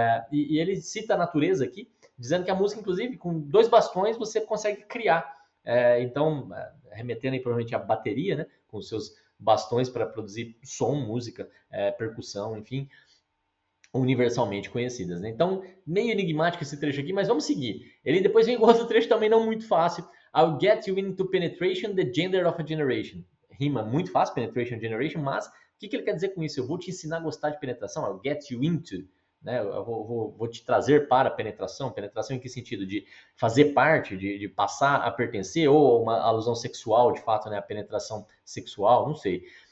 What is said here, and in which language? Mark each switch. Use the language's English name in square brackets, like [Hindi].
[Portuguese] E ele cita a natureza aqui, dizendo que a música, inclusive, com dois bastões você consegue criar. Então, remetendo aí provavelmente à bateria, né? Com seus bastões para produzir som, música, percussão, enfim, universalmente conhecidas, né? Então, meio enigmático esse trecho aqui, mas vamos seguir. Ele depois vem com outro trecho também não muito fácil. [English] I'll get you into penetration, the gender of a generation. [Portuguese] Rima muito fácil, penetration, generation, mas o que que ele quer dizer com isso? Eu vou te ensinar a gostar de penetração? [English] I'll get you into, [Portuguese] né? Eu vou te trazer para penetração. Penetração em que sentido? De fazer parte, de passar a pertencer, ou uma alusão sexual, de fato, né? A penetração sexual, não sei.